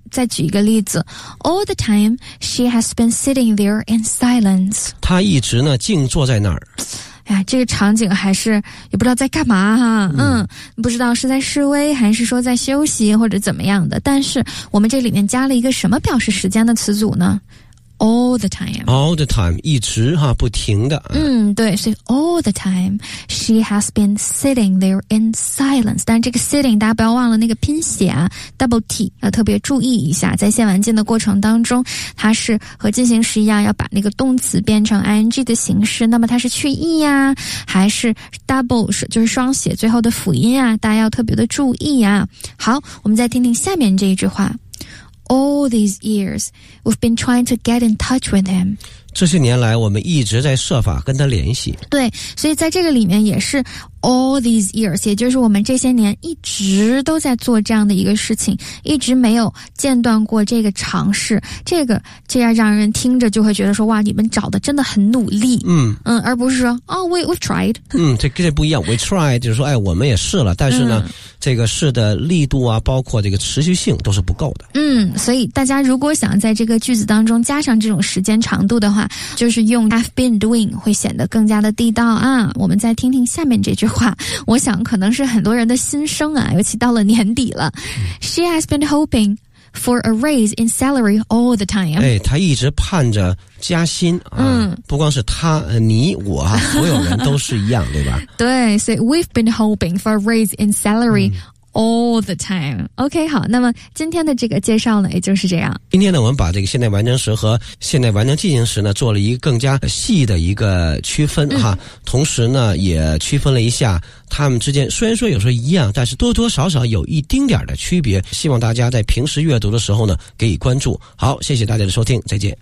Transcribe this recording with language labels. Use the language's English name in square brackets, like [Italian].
[Chinese] 再举一个例子， [English] All the time she has been sitting there in silence， [Chinese] 她一直呢静坐在那儿。哎呀，这个场景还是也不知道在干嘛哈、啊嗯，嗯，不知道是在示威还是说在休息或者怎么样的。但是我们这里面加了一个什么表示时间的词组呢 ？All the time， all the time， 一直哈，不停的。嗯，对，所以 [English] all the time she has been sitting there in silence。 [Chinese] 但这个 sitting 大家不要忘了那个拼写啊 ，double t 要特别注意一下，在现完进的过程当中，它是和进行时一样，要把那个动词变成 ing 的形式。那么它是去 e 呀、啊，还是 double 就是双写最后的辅音啊？大家要特别的注意啊。好，我们再听听下面这一句话。 [English] All these years, we've been trying to get in touch with him. [Chinese] 这些年来，我们一直在设法跟他联系。对，所以在这个里面也是 all these years， 也就是我们这些年一直都在做这样的一个事情，一直没有间断过这个尝试。这个这样让人听着就会觉得说，哇，你们找的真的很努力。嗯嗯，而不是说，哦 ，we've tried。嗯，这跟这不一样 ，we tried 就是说，哎，我们也试了，但是呢。嗯，这个试的力度啊，包括这个持续性都是不够的。嗯，所以大家如果想在这个句子当中加上这种时间长度的话，就是用 have been doing 会显得更加的地道啊。我们再听听下面这句话，我想可能是很多人的心声啊，尤其到了年底了。 [English] 嗯、She has been hoping for a raise in salary all the time。 [Chinese] 哎，她一直盼着加薪啊、嗯！不光是他，你我、啊、所有人都是一样，对吧？对，所以 [English] we've been hoping for a raise in salary、嗯、all the time. [Chinese] OK， 好，那么今天的这个介绍呢，也就是这样。今天呢，我们把这个现在完成时和现在完成进行时呢，做了一个更加细的一个区分、嗯、哈。同时呢，也区分了一下他们之间，虽然说有时候一样，但是多多少少有一丁点的区别。希望大家在平时阅读的时候呢，给予关注。好，谢谢大家的收听，再见，